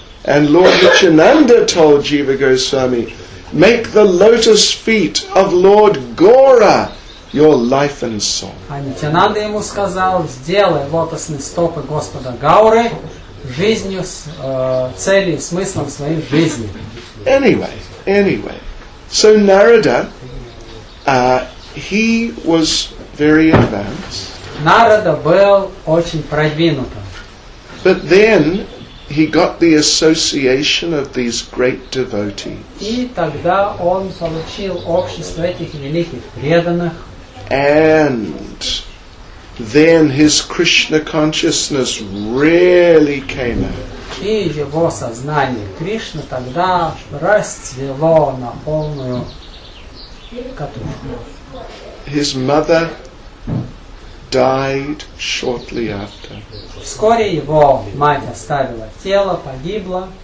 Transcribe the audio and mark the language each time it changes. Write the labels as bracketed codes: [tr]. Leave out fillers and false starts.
[en] And Lord Nityananda told Jiva Goswami, "Make the lotus feet of Lord Gaura your life and soul." [ru] А Нитянанда ему сказал, "Сделай лотосные стопы Господа Гауры жизнью, целью, смыслом своей жизни." [en] Anyway, so Narada, he was very advanced. [ru] Нарада был очень продвинутым. [en] But then he got the association of these great devotees. [ru] И тогда он получил общество этих великих преданных. [en] And then his Krishna consciousness really came out. [ru] И его сознание Кришны тогда расцвело на полную катушку. [en] His mother died shortly after. [ru] Вскоре его мать оставила тело, погибла.